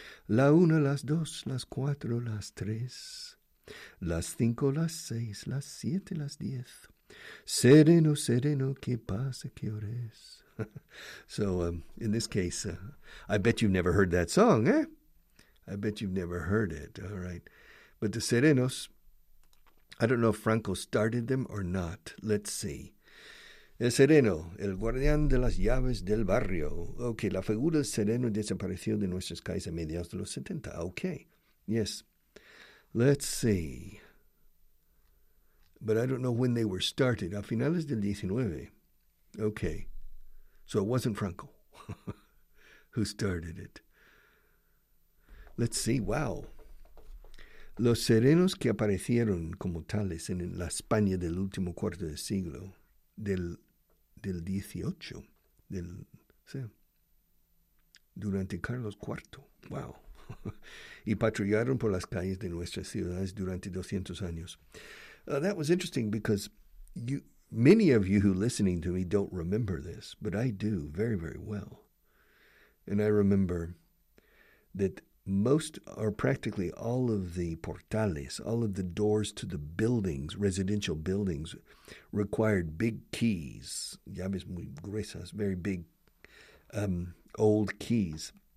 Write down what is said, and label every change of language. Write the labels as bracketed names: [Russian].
[Spanish] La una, las dos, las cuatro, las tres, las cinco, las seis, las siete, las diez. Sereno, sereno, ¿qué pasa? ¿Qué hora es? [English] So, in this case, I bet you've never heard that song, eh? I bet you've never heard it, all right. But the serenos, I don't know if Franco started them or not. Let's see. [Spanish] El sereno, el guardián de las llaves del barrio. Okay, la figura del sereno desapareció de nuestras calles a mediados de los 70. [English] Okay, yes. Let's see. But I don't know when they were started. [Spanish] A finales del 19. [English] Okay. So it wasn't Franco who started it. Let's see. Wow. [Spanish] Los serenos que aparecieron como tales en la España del último cuarto de siglo del 18, del, ¿sí? Durante Carlos IV, wow, y patrullaron por las calles de nuestras ciudades durante 200 años. [English] That was interesting because many of you who are listening to me don't remember this, but I do very, very well. And I remember that most or practically all of the portales, all of the doors to the buildings, residential buildings, required big keys, [Spanish] llaves muy gruesas, [English] very big old keys.